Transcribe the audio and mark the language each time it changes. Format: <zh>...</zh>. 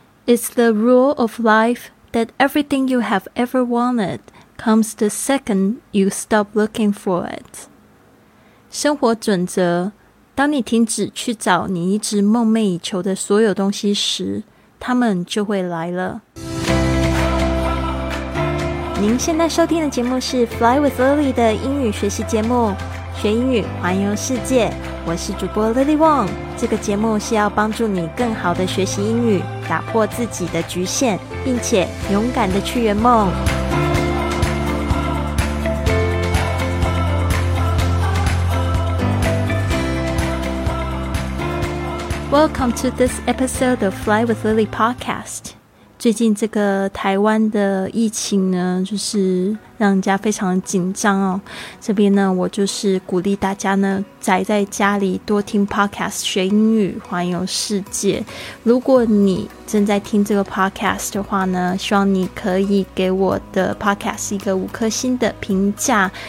<en>It's the rule of life that everything you have ever wanted comes the second you stop looking for it.</en> <zh>生活准则，当你停止去找你一直梦寐以求的所有东西时，他们就会来了。您现在收听的节目是 Fly with Lily 的英语学习节目，学英语环游世界。我是主播 Lily Wong， 这个节目是要帮助你更好的学习英语，打破自己的局限，并且勇敢的去圆梦。</zh> <en>Welcome to this episode of Fly with Lily podcast.</en> <zh>最近这个台湾的疫情呢，就是让人家非常紧张哦。这边呢，我就是鼓励大家呢，宅在家里多听 podcast 学英语，环游世界。如果你正在听这个 podcast 的话呢，希望你可以给我的 podcast 一个五颗星的评价。</zh>